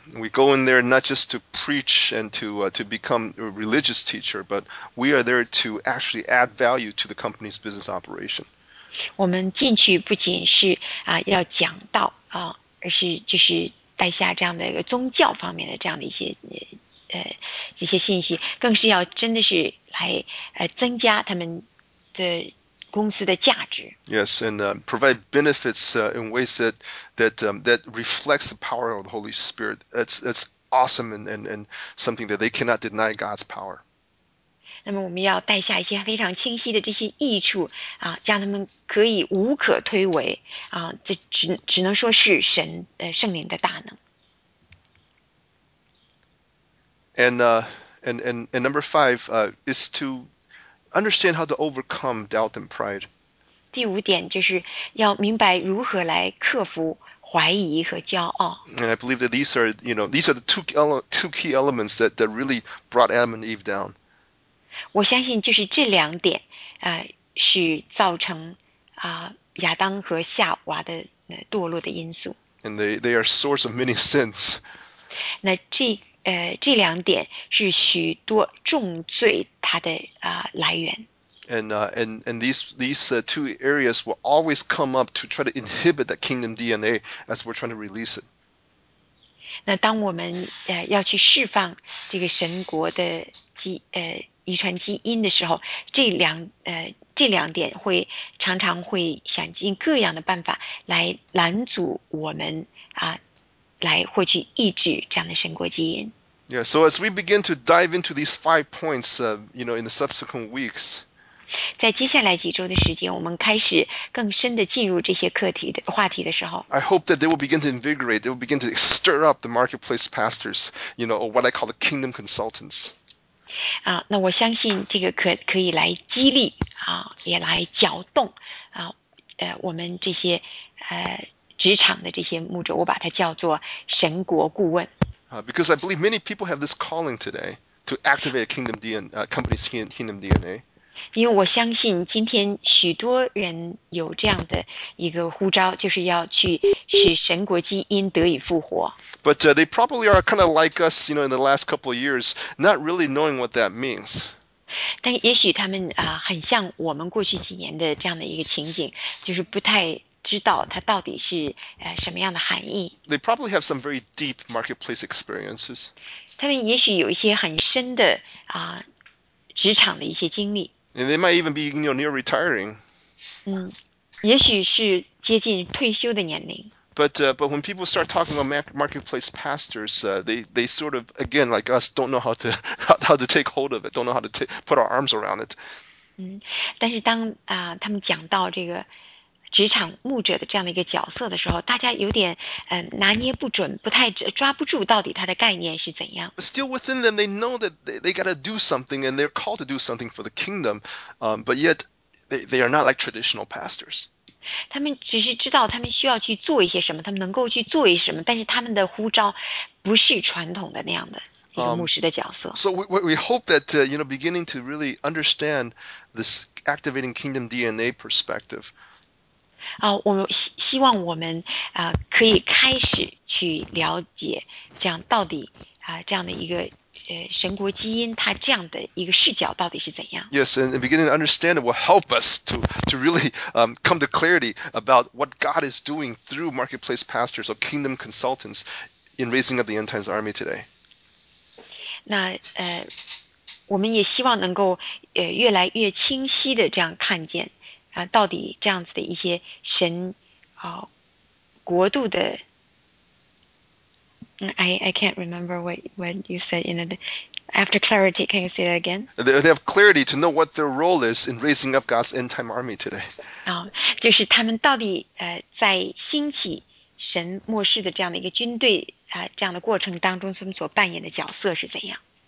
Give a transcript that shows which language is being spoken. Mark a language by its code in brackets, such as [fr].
[en] We go in there not just to preach and to become a religious teacher, but we are there to actually add value to the company's business operation. [zh] 我们进去不仅是啊、要讲道啊、而是就是带下这样的一个宗教方面的这样的一些这些信息，更是要真的是来增加他们的。公司的价值。 [en] Yes, and provide benefits in ways that reflects the power of the Holy Spirit. That's awesome and something that they cannot deny God's power. [zh] 那么我们要带下一些非常清晰的这些益处啊，让他们可以无可推诿啊，这只能说是神圣灵的大能。 [en] And number five is to. Understand how to overcome doubt and pride. [zh] 第五点就是要明白如何来克服怀疑和骄傲。 [en] And I believe that these are the two key elements that really brought Adam and Eve down. [zh] 我相信就是这两点，是造成亚当和夏娃的堕落的因素。 [en] And they are source of many sins. [zh] 那这两点是许多重罪它的来源。 [en] And these two areas will always come up to try to inhibit that kingdom DNA as we're trying to release it. [zh] 那当我们要去释放这个神国的遗传基因的时候，这两点会常常会想尽各样的办法来拦阻我们来获取抑制这样的神国基因。 [en] Yeah, so as we begin to dive into these five points, you know, in the subsequent weeks, [zh] 在接下来几周的时间，我们开始更深的进入这些课题的话题的时候 [en] ，I hope that they will begin to invigorate, they will begin to stir up the marketplace pastors, you know, or what I call the kingdom consultants. [zh] 啊，那我相信这个可以来激励啊，也来搅动啊，我们这些职场的这些牧者，我把它叫做神国顾问。 [en] Because I believe many people have this calling today to activate a kingdom DNA, company's kingdom DNA. [zh] 因为我相信今天许多人有这样的一个呼召，就是要去使神国基因得以复活。 [en] But they probably are kind of like us, you know, in the last couple of years, not really knowing what that means. [zh] 但也许他们很像我们过去几年的这样的一个情景，就是不太。知道它到底是什么样的含义。 [en] They probably have some very deep marketplace experiences. [zh] 他们也许有一些很深的职场的一些经历。 [en] And they might even be, you know, near retiring. [zh] 也许是接近退休的年龄。 [en] But when people start talking about marketplace pastors, they sort of, again, like us, don't know how to take hold of it, don't know how to put our arms around it. [zh] 但是当他们讲到这个职场牧者的这样的一个角色的时候，大家有点拿捏不准，不太抓不住到底他的概念是怎样。 [en] Still within them, they know that they got to do something, and they're called to do something for the kingdom. But yet, they are not like traditional pastors. [zh] 他们只是知道他们需要去做一些什么，他们能够去做一些什么，但是他们的呼召不是传统的那样的。 [en] So we hope that you know, beginning to really understand this activating kingdom DNA perspective. [zh] 我们希望我们可以开始去了解这样到底这样的一个神国基因它这样的一个视角到底是怎样。 [en] Yes, and beginning to understand it will help us to really come to clarity about what God is doing through marketplace pastors or kingdom consultants in raising up the end times army today. [zh] 那我们也希望能够越来越清晰的这样看见。到底这样子的一些神国度的 [en] I can't remember what you said in after clarity, can you say that again? They have clarity to know what their role is in raising up God's end time army today. [zh] 就是他们到底在兴起神末世的这样的一个军队这样的过程当中他们所扮演的角色是怎样。